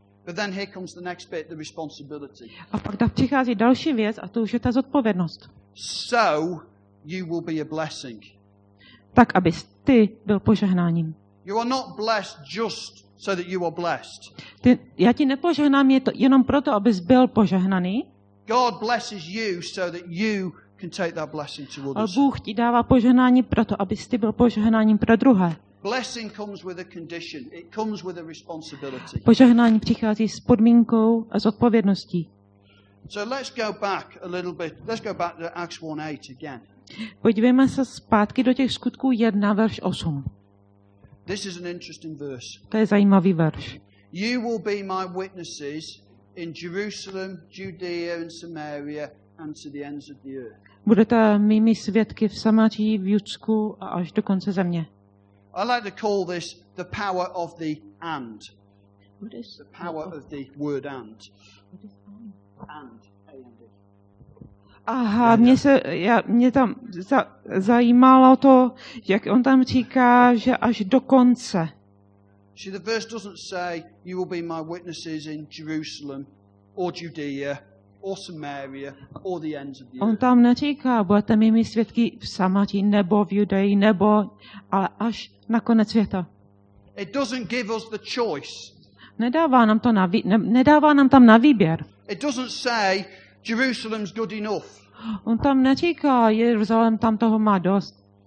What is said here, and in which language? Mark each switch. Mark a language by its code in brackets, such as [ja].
[en] But then here comes the next bit, the responsibility. [cs] A pak tam přichází další věc a to už je ta zodpovědnost. [en] So you will be a blessing. [cs] Tak, abys ty byl požehnáním. [en] You are not blessed just so that you are blessed. [cs] Já ti nepožehnám je to jenom proto, abys byl požehnaný. [en] God blesses you so that you can take that blessing to others. [cs] A Bůh ti dává požehnání proto, abys ty byl požehnáním pro druhé. [en] Blessing comes with a condition. It comes with a responsibility. [cs] Požehnání přichází s podmínkou a s odpovědností. [en] So let's go back a little bit. Let's go back to Acts 1:8 again. [cs] Podívejme se zpátky do těch skutků 1 verš 8. [en] This is an interesting verse. [cs] To je zajímavý verš. [en] You will be my witnesses in Jerusalem, Judea and Samaria and to the ends of the earth. [cs] Budete mými svědky v Samaří, v Judsku a až do konce země. [en] I like to call this the power of the and. What is the power of the word and? And. [cs] Aha, mě tam zajímalo to, jak on tam říká, že až do konce. [en] See, the verse doesn't say you will be my witnesses in Jerusalem or Judea or Samaria or the ends of the earth. [cs] On tam neříká, budete mými svědky v Samaří nebo v Judeji nebo ale až na konec světa. [en] It doesn't give us the choice. [cs] Nedává nám tam na výběr. [en] It doesn't say Jerusalem's good enough. [cs] On tam neříká, Jeruzalém tam toho má dost.